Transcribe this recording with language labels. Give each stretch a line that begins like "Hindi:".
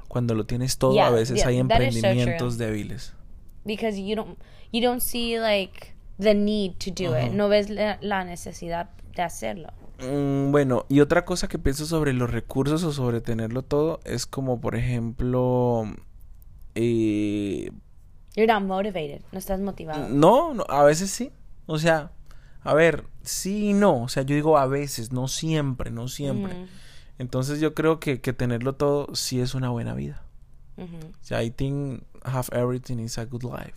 Spanish: Cuando lo tienes todo, yeah, a veces yeah, hay emprendimientos so débiles.
English: Because you don't see like the need to do uh-huh. it.
Spanish: No ves la necesidad de hacerlo. Bueno, y otra cosa que pienso sobre los recursos o sobre tenerlo todo es como, por ejemplo,
English: You're not motivated.
Spanish: No estás motivado. No, a veces sí. O sea, a ver, sí y no. O sea, yo digo a veces, no siempre. Uh-huh. Entonces yo creo que tenerlo todo sí es una buena vida. Uh-huh.
English: So I think have everything is a good life.